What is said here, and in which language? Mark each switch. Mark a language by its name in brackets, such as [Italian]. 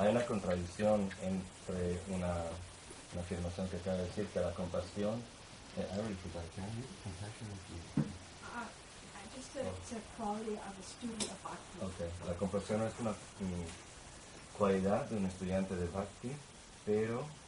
[Spanish] Hay una contradicción entre una afirmación que acaba de decir que la compasión. [English] I already put that. Can you compassion with you? It's a quality of a student of bhakti. [Spanish] Okay, la compasión es una cualidad de un estudiante de bhakti, pero